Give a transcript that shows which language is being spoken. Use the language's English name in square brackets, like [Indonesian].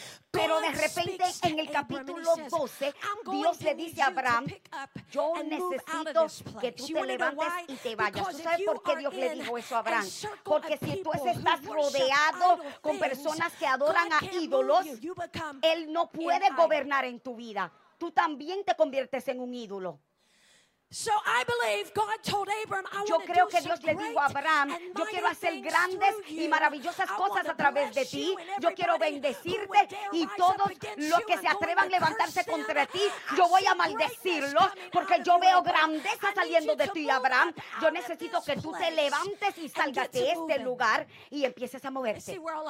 [Spanish] Pero de repente en el capítulo 12, Dios le dice a Abraham, yo necesito que tú te levantes y te vayas. ¿Tú sabes por qué Dios le dijo eso a Abraham? Porque si tú estás rodeado con personas que adoran a ídolos, Él no puede gobernar en tu vida. Tú también te conviertes en un ídolo. [English] So I believe God told Abraham, I [Spanish] yo creo que Dios le dijo a Abraham, yo quiero hacer grandes y maravillosas cosas a través de ti. Yo quiero bendecirte y todos los que se atrevan a levantarse contra ti, yo voy a maldecirlos porque yo veo grandeza saliendo de ti, Abraham. Yo necesito que tú te levantes y salgas de este lugar y empieces a moverte.